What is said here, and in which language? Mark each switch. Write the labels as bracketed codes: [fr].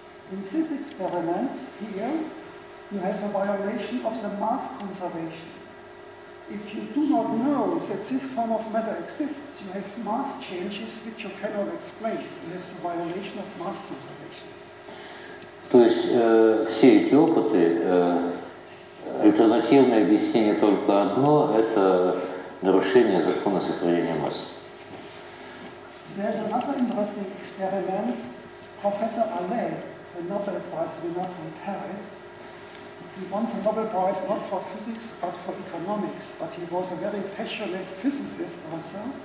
[en] In this experiment here, you have a violation of the mass conservation. If you do not know that this form of matter exists, you have mass changes which you cannot explain. You have a violation of mass conservation. [ru] То есть все эти опыты, альтернативное объяснение только одно – это нарушение закона сохранения масс. [en] There is another interesting experiment. Professor Allais, a Nobel Prize winner from Paris, he won the Nobel Prize not for physics but for economics, but he was a very passionate physicist also.